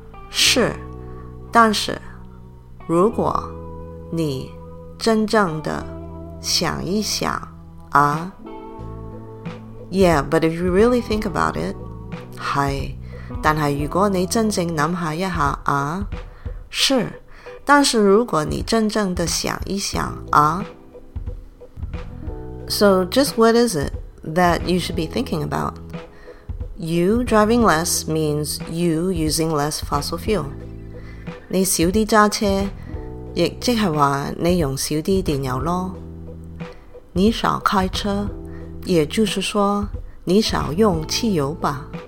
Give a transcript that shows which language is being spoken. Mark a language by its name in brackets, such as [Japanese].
[Chinese] 是，但是如果你真正的想一想啊 [English] Yeah, but if you really think about it [Chinese] 是，但是如果你真正想下一下啊是，但是如果你真正的想一想啊 [English] So just what is it that you should be thinking about? You driving less means you using less fossil fuel [Chinese] 你少啲揸车亦即系话你用少啲电油咯，你少开车，也就是说你少用汽油吧。